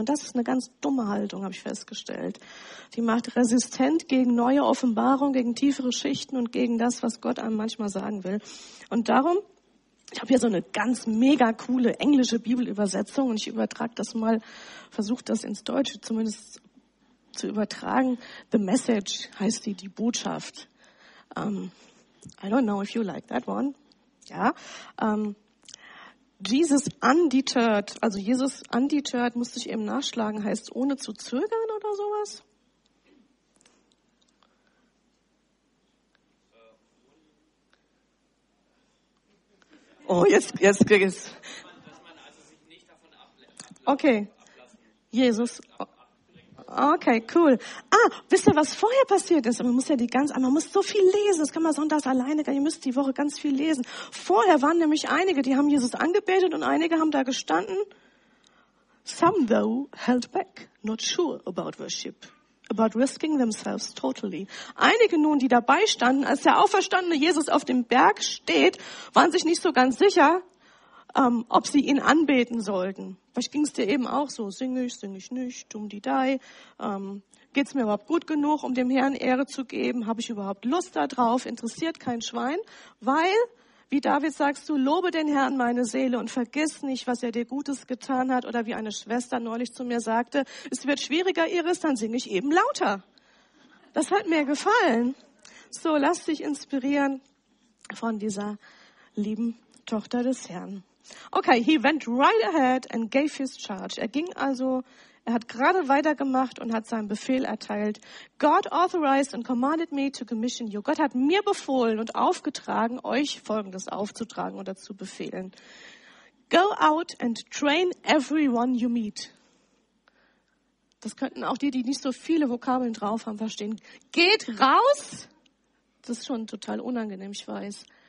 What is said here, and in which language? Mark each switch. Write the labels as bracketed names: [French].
[German] Und das ist eine ganz dumme Haltung, habe ich festgestellt. Die macht resistent gegen neue Offenbarung, gegen tiefere Schichten und gegen das, was Gott einem manchmal sagen will. Und darum, ich habe hier so eine ganz mega coole englische Bibelübersetzung, und ich übertrage das mal, versuche das ins Deutsche zumindest zu übertragen. The Message heißt die Botschaft. [English] I don't know if you like that one. [German] Ja, Jesus undeterred, musste ich eben nachschlagen, heißt ohne zu zögern oder sowas? Oh, jetzt. Dass man also sich nicht davon Okay, cool. Ah, wisst ihr, was vorher passiert ist? Man muss so viel lesen. Das kann man sonntags alleine, ihr müsst die Woche ganz viel lesen. Vorher waren nämlich einige, die haben Jesus angebetet, und einige haben da gestanden. [English] Some though held back, not sure about worship, about risking themselves totally. [German] Einige nun, die dabei standen, als der auferstandene Jesus auf dem Berg steht, waren sich nicht so ganz sicher, ob sie ihn anbeten sollten. Vielleicht ging es dir eben auch so, singe ich nicht, dum-di-dai, geht es mir überhaupt gut genug, um dem Herrn Ehre zu geben, habe ich überhaupt Lust darauf, interessiert kein Schwein, weil, wie David sagst du, lobe den Herrn, meine Seele, und vergiss nicht, was er dir Gutes getan hat, oder wie eine Schwester neulich zu mir sagte, es wird schwieriger, Iris, dann singe ich eben lauter. Das hat mir gefallen. So, lass dich inspirieren von dieser lieben Tochter des Herrn. [English] Okay, he went right ahead and gave his charge. [German] Er hat gerade weitergemacht und hat seinen Befehl erteilt. [English] God authorized and commanded me to commission you. [German] Gott hat mir befohlen und aufgetragen, euch Folgendes aufzutragen oder zu befehlen. [English] Go out and train everyone you meet. [German] Das könnten auch die nicht so viele Vokabeln drauf haben, verstehen. Geht raus. Das ist schon total unangenehm, ich weiß.